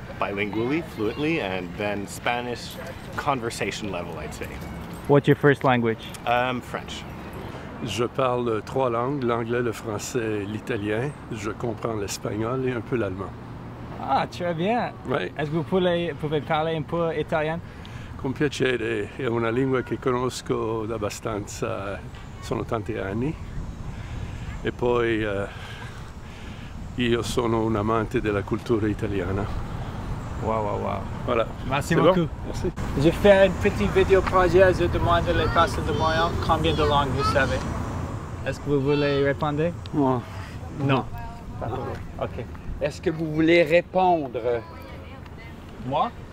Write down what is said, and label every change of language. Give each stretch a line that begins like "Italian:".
English: Bilingually, fluently, and then Spanish conversation level, I'd say. What's your first language? French.
French: Je parle trois langues, l'anglais, le français, l'italien. Je comprends l'espagnol et un peu l'allemand. Ah, très bien. Oui. Est-ce que vous pouvez parler un peu italien?
Italian: Con piacere. È una lingua che conosco da abbastanza, sono tanti anni. E poi io sono un amante della cultura italiana. Wow.
French: Voilà. Merci beaucoup. Bon. Merci. Je fais un petit vidéo projet, je demande à les personnes de Montréal combien de langues vous savez. Est-ce que vous voulez répondre? Moi. Non. Ah. Ok. Est-ce que vous voulez répondre? Moi?